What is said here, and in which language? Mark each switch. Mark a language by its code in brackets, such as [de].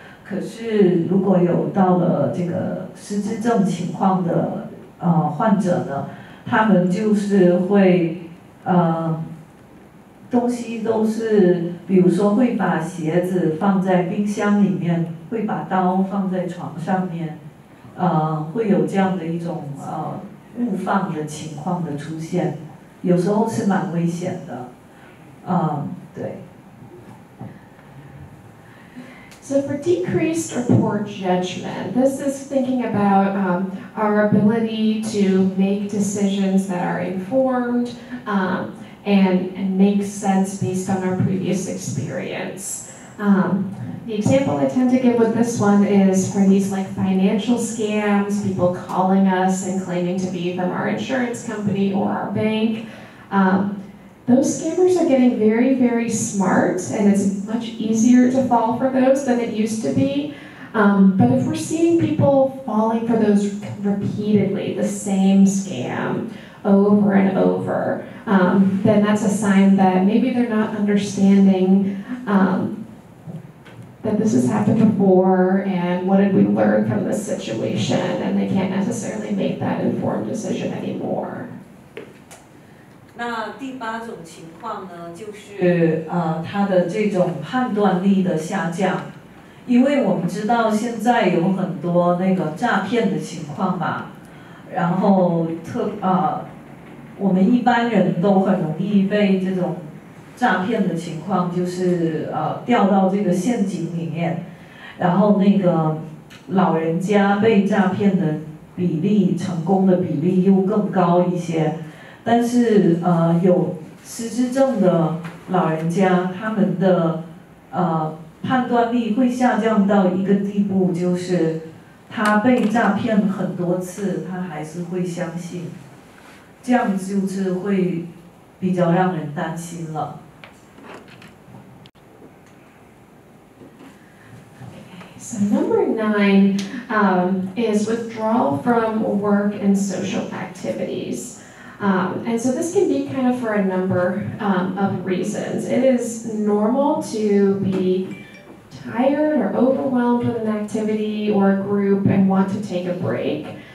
[zh] 可是如果有到了这个失智症情况的患者呢，他们就是会东西都是，比如说会把鞋子放在冰箱里面，会把刀放在床上面，会有这样的一种误放的情况的出现，有时候是蛮危险的，对。 [en] So for decreased or poor judgment, this is thinking about our ability to make decisions that are informed, and make sense based on our previous experience. The example I tend to give with this one is for these like financial scams, people calling us and claiming to be from our insurance company or our bank. Those scammers are getting very, very smart, and it's much easier to fall for those than it used to be. But if we're seeing people falling for those repeatedly, the same scam over and over, then that's a sign that maybe they're not understanding that this has happened before and what did we learn from this situation, and they can't necessarily make that informed decision anymore. [zh] 那第八种情况呢，就是他的这种判断力的下降，因为我们知道现在有很多那个诈骗的情况嘛，然后我们一般人都很容易被这种诈骗的情况，就是掉到这个陷阱里面，然后那个老人家被诈骗的比例，成功的比例又更高一些。但是有失智症的老人家，他们的判断力会下降到一个地步，就是他被诈骗很多次他还是会相信，这样就是会比较让人担心了。 [en] So number nine is withdrawal from work and social activities. And so this can be kind of for a number of reasons. It is normal to be tired or overwhelmed with an activity or a group and want to take a break.